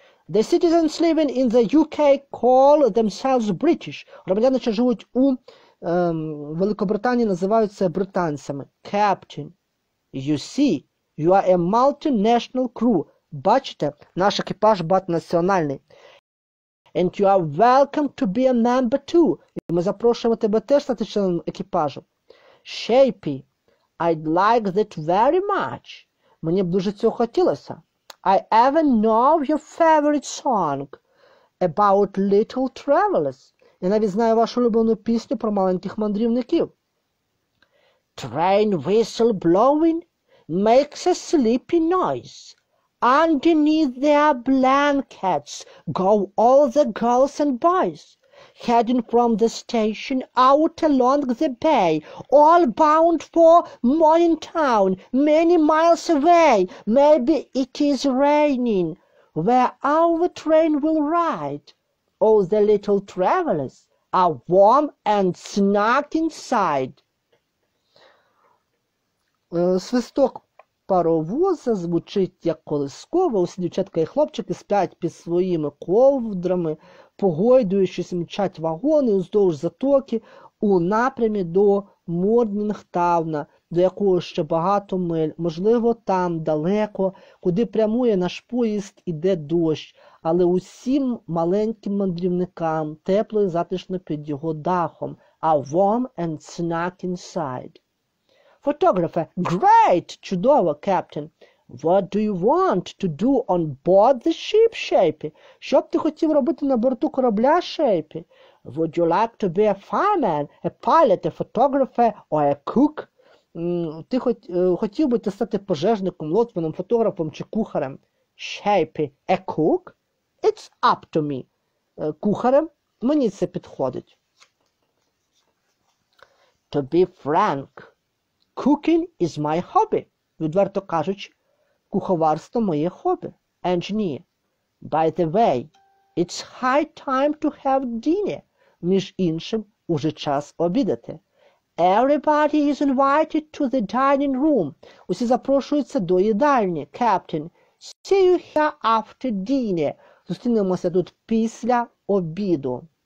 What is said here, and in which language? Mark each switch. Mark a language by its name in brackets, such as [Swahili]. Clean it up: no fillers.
[English] The citizens living in the UK call themselves British. [Ukrainian] Громадяни, що живуть у Великобританії, називаються британцями. [English] Captain, you see, you are a multinational crew. [Ukrainian] Бачите, наш екіпаж багатонаціональний. [English] And you are welcome to be a member too. [Ukrainian] І ми запрошуємо тебе теж стати членом екіпажу. [English] Shapy, I'd like that very much. [Ukrainian] Мені б дуже цього хотілося. [English] I even know your favorite song about little travelers. [Ukrainian] Я навіть знаю вашу улюблену пісню про маленьких мандрівників. [English] Train whistle blowing makes a sleepy noise. Underneath their blankets go all the girls and boys. Heading from the station out along the bay, all bound for morning town, many miles away. Maybe it is raining where our train will ride. All the little travelers are warm and snug inside. [Ukrainian] Свисток паровоза звучить як колискове, усі дівчатка і хлопчики сплять під своїми ковдрами, погойдуючись мчать вагони уздовж затоки у напрямі до Морнінгтауна, до якого ще багато миль. Можливо, там, далеко, куди прямує наш поїзд, іде дощ. Але усім маленьким мандрівникам тепло і затишно під його дахом. [English] A warm and snug inside. Photographer, great, [Ukrainian] чудово, [English] captain. What do you want to do on board the ship, Shapy? [Ukrainian] Що б ти хотів робити на борту корабля, Shapy? [English] Would you like to be a fireman, a pilot, a photographer or a cook? [Ukrainian] Ти хотів би стати пожежником, лоцманом, фотографом чи кухарем? [English] Shapy, a cook? It's up to me. [Ukrainian] Кухарем? Мені це підходить. [English] To be frank, cooking is my hobby. [Ukrainian] Відверто кажучи, куховарство – моє хобі. [English] Engineer. By the way, it's high time to have dinner. [Ukrainian] Між іншим, уже час обідати. [English] Everybody is invited to the dining room. [Ukrainian] Усі запрошуються до їдальні. [English] Captain, see you here after dinner. [Ukrainian] Зустрінемося тут після обіду.